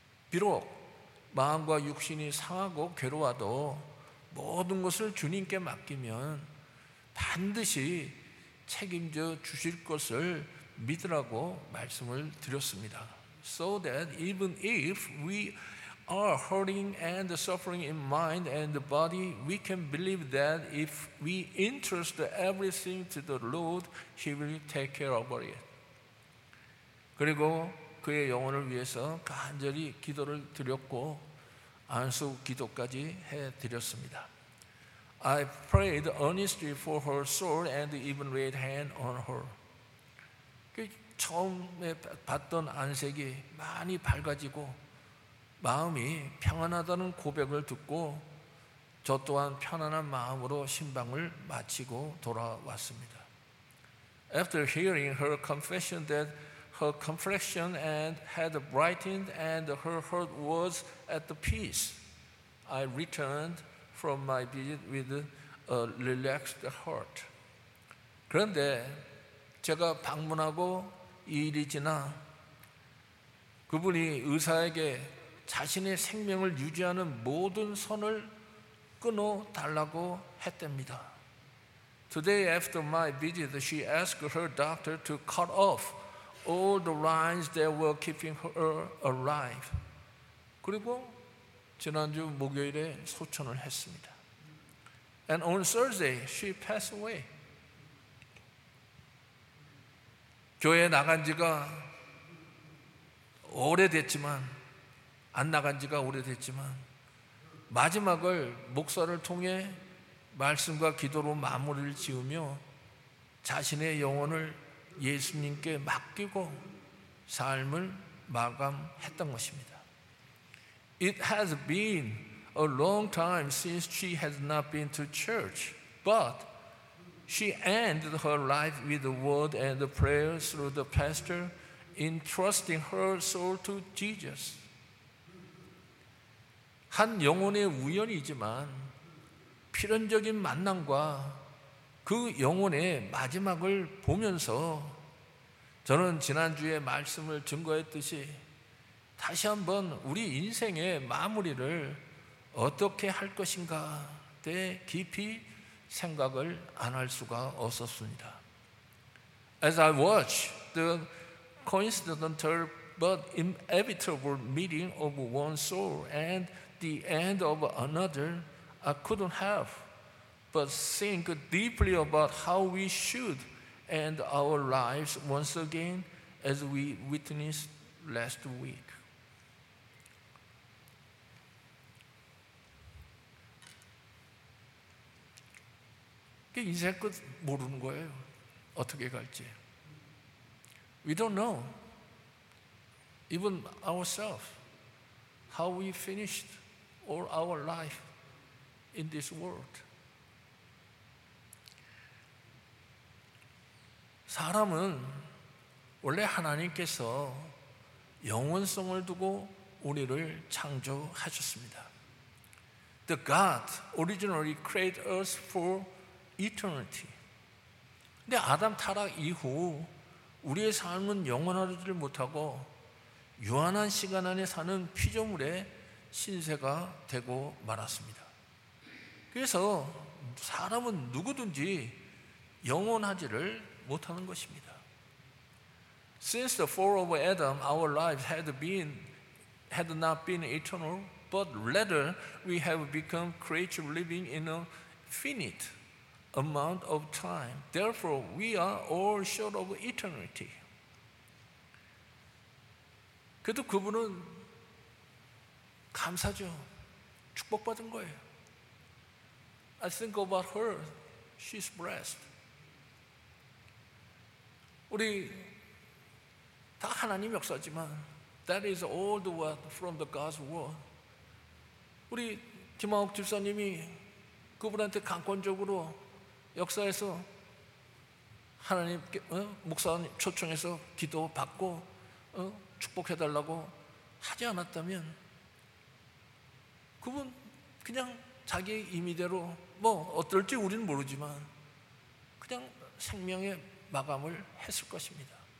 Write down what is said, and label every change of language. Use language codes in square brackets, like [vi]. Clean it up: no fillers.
[ko] 비록 마음과 육신이 상하고 괴로워도 모든 것을 주님께 맡기면 반드시 책임져 주실 것을 믿으라고 말씀을 드렸습니다. [en] So that even if we are hurting and suffering in mind and body, we can believe that if we entrust everything to the Lord, He will take care of it. [ko] 그리고 그의 영혼을 위해서 간절히 기도를 드렸고 안수 기도까지 해드렸습니다. [en] I prayed earnestly for her soul and even laid hand on her. [ko] 처음에 봤던 안색이 많이 밝아지고 마음이 평안하다는 고백을 듣고 저 또한 편안한 마음으로 신방을 마치고 돌아왔습니다. [en] After hearing her confession that her complexion had brightened and her heart was at the peace, I returned from my visit with a relaxed heart. [ko] 그런데 제가 방문하고 이 일이 지나 그분이 의사에게 자신의 생명을 유지하는 모든 선을 끊어달라고 했답니다. [en] Today after my visit, she asked her doctor to cut off all the lines that were keeping her alive. [ko] 그리고 지난주 목요일에 소천을 했습니다. [en] And on Thursday, she passed away. [ko] 교회에 나간 지가 오래됐지만, 안 나간 지가 오래됐지만, 마지막을 목사를 통해 말씀과 기도로 마무리를 지으며 자신의 영혼을 예수님께 맡기고 삶을 마감했던 것입니다. [en] It has been a long time since she has not been to church, but she ended her life with the word and the prayer through the pastor, entrusting her soul to Jesus. [ko] 한 영혼의 우연이지만 필연적인 만남과 그 영혼의 마지막을 보면서 저는 지난주에 말씀을 증거했듯이 다시 한번 우리 인생의 마무리를 어떻게 할 것인가에 대해 깊이 생각을 안 할 수가 없었습니다. [en] As I watch the coincidental but inevitable meeting of one soul and the end of another, I couldn't help but think deeply about how we should end our lives once again as we witnessed last week. [ko] 인생 끝 모르는 거예요. 어떻게 갈지. [en] We don't know, even ourselves, how we finished all our life in this world. [ko] 사람은 원래 하나님께서 영원성을 두고 우리를 창조하셨습니다. [en] The God originally created us for eternity. [ko] 근데 아담 타락 이후 우리의 삶은 영원하지를 못하고 유한한 시간 안에 사는 피조물의 신세가 되고 말았습니다. 그래서 사람은 누구든지 영원하지를 못하는 것입니다. [en] Since the fall of Adam, our lives had not been eternal, but rather we have become creatures living in a finite amount of time. Therefore, we are all short of eternity. [ko] 그래도 그분은 감사죠. 축복받은 거예요. [en] I think about her. She's blessed. [ko] 우리 다 하나님 역사지만 [en] that is all the word from the God's word. [ko] 우리 김하옥 집사님이 그분한테 강권적으로 역사에서 하나님께 목사님 초청해서 기도 받고 축복해달라고 하지 않았다면 그분 그냥 자기의 임의대로 뭐 어떨지 우리는 모르지만 그냥 생명의 마감을 했을 것입니다.